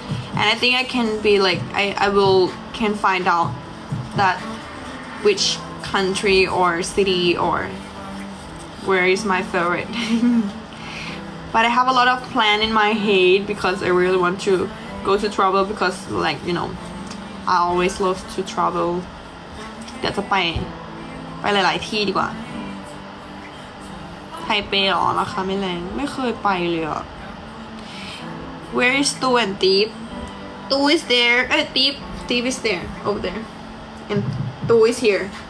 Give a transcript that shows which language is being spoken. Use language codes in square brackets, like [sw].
[en] And I think I can be like, I can find out that which. Country or city or where is my favorite? But I have a lot of plan in my head because I really want to go to travel because like you know, I always love to travel. [th] เดี๋ยวจะไปหลายๆที่ดีกว่าไทยไปหรอราคาไม่แรงไม่เคยไปเลยอ่ะ [en] Where is Tu and Deep? Tu is there. Deep is there over there, and Tu is here.